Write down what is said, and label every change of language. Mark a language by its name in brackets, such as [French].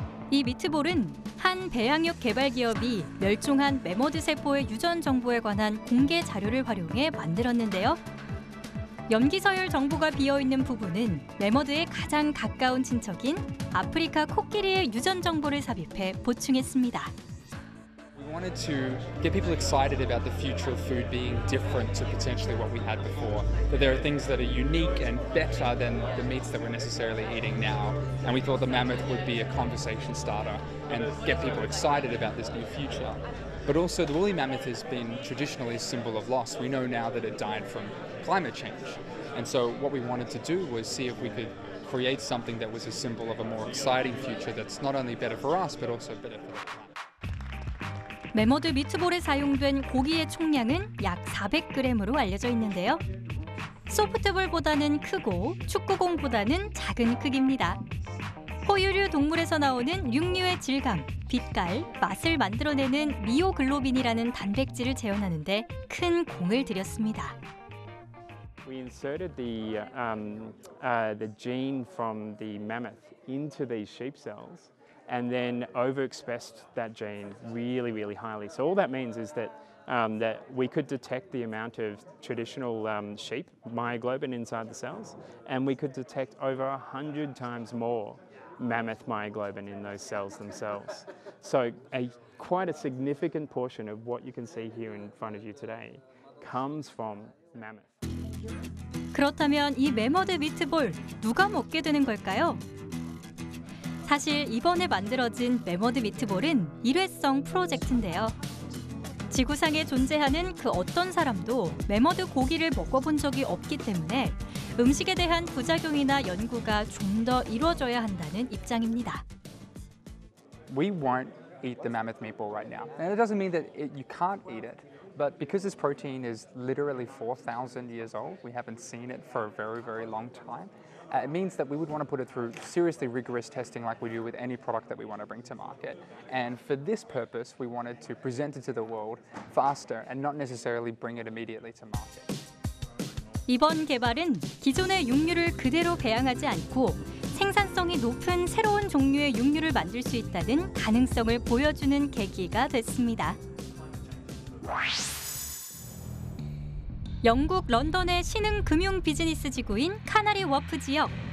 [Korean] 이 미트볼은 한 배양육 개발 기업이 멸종한 매머드 세포의 유전 정보에 관한 공개 자료를 활용해 만들었는데요. 염기 서열 정보가 비어있는 부분은 매머드의 가장 가까운 친척인 아프리카 코끼리의 유전 정보를 삽입해 보충했습니다. [English] We wanted to get people excited about the future of food being different to potentially what we had before. That there are things that are unique and better than the meats that we're necessarily eating now. And we thought the mammoth would be a conversation starter and get people excited about this new future. But also the woolly mammoth has been traditionally a symbol of loss. We know now that it died from climate change. And so what we wanted to do was see if we could create something that was a symbol of a more exciting future that's not only better for us, but also better for the planet. [Korean] 매머드 미트볼에 사용된 고기의 총량은 약 400g으로 알려져 있는데요. 소프트볼보다는 크고 축구공보다는 작은 크기입니다. 포유류 동물에서 나오는 육류의 질감, 빛깔, 맛을 만들어내는 미오글로빈이라는 단백질을 재현하는 데 큰 공을 들였습니다. [English] We inserted the gene from the mammoth into these sheep cells. And then overexpressed that gene really, really highly. So all that means is that that we could detect the amount of traditional sheep myoglobin inside the cells, and we could detect over 100 times more mammoth myoglobin in those cells themselves. So quite a significant portion of what you can see here in front of you today comes from mammoth. [Korean] 그렇다면 이 매머드 미트볼 누가 먹게 되는 걸까요? 사실 이번에 만들어진 매머드 미트볼은 일회성 프로젝트인데요. 지구상에 존재하는 그 어떤 사람도 매머드 고기를 먹어본 적이 없기 때문에 음식에 대한 부작용이나 연구가 좀 더 이루어져야 한다는 입장입니다. [English] We won't eat the mammoth meatball right now. And it doesn't mean that you can't eat it. But because this protein is literally 4,000 years old, we haven't seen it for a very, very long time. It means that we would want to put it through seriously rigorous testing like we do with any product that we want to bring to market. And for this purpose, we wanted to present it to the world faster and not necessarily bring it immediately to market. [Korean] 이번 개발은 기존의 육류를 그대로 배양하지 않고 생산성이 높은 새로운 종류의 육류를 만들 수 있다는 가능성을 보여주는 계기가 됐습니다. 영국 런던의 신흥 금융 비즈니스 지구인 카나리 워프 지역.